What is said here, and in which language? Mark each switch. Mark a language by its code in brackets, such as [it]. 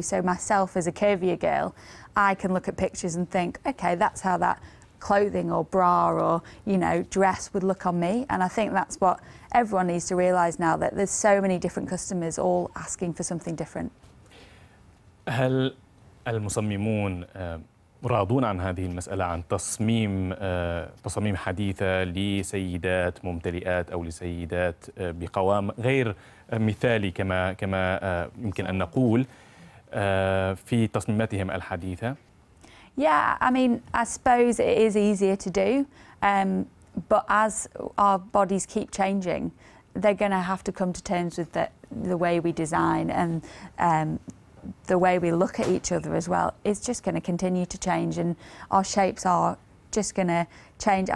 [en] So myself as a curvier girl, I can look at pictures and think, okay, that's how that clothing or bra or, you know, dress would look on me. And I think that's what everyone needs to realize now, that there's so many different customers all asking for something different. [ar] هل المصممون راضون عن هذه المسألة، عن تصاميم حديثة لسيدات ممتلئات أو لسيدات بقوام غير مثالي كما يمكن أن نقول في تصميماتهم الحديثة؟ [en] Yeah, I mean, I suppose it is easier to do, but as our bodies keep changing, they're going to have to come to terms with the way we design and the way we look at each other as well. It's just going to continue to change, and our shapes are just going to change.